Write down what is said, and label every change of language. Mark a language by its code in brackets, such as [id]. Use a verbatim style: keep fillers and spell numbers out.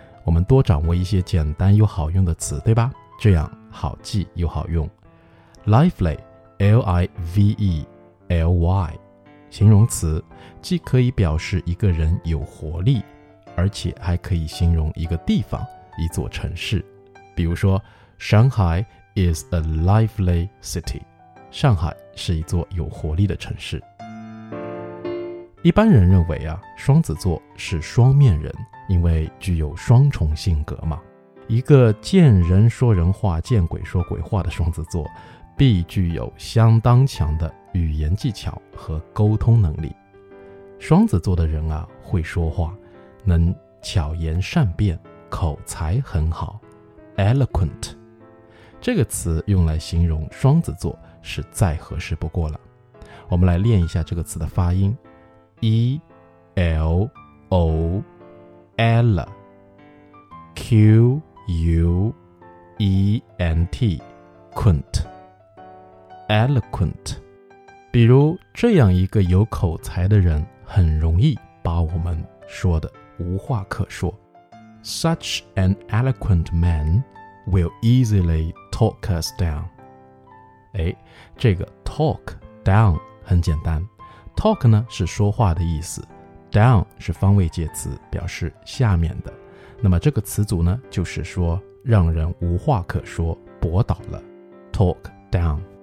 [zh] 我们多掌握一些简单又好用的词，对吧？这样好记又好用。 lively, L I V E L Y 形容词，既可以表示一个人有活力，而且还可以形容一个地方，一座城市。比如说 [en] Shanghai is a lively city. [zh] 上海是一座有活力的城市。一般人认为啊，双子座是双面人，因为具有双重性格嘛。一个见人说人话，见鬼说鬼话的双子座，必具有相当强的语言技巧和沟通能力。双子座的人啊，会说话，能巧言善辩，口才很好。 eloquent 这个词用来形容双子座是再合适不过了。我们来练一下这个词的发音 E L O L Q U E N T Quint eloquent。比如这样一个有口才的人，很容易把我们说的无话可说。 [en] Such an eloquent man will easily talk us down. [zh] 诶，这个 talk down 很简单， talk 呢是说话的意思， down 是方位介词，表示下面的。那么这个词组呢，就是说让人无话可说，驳倒了， talk down。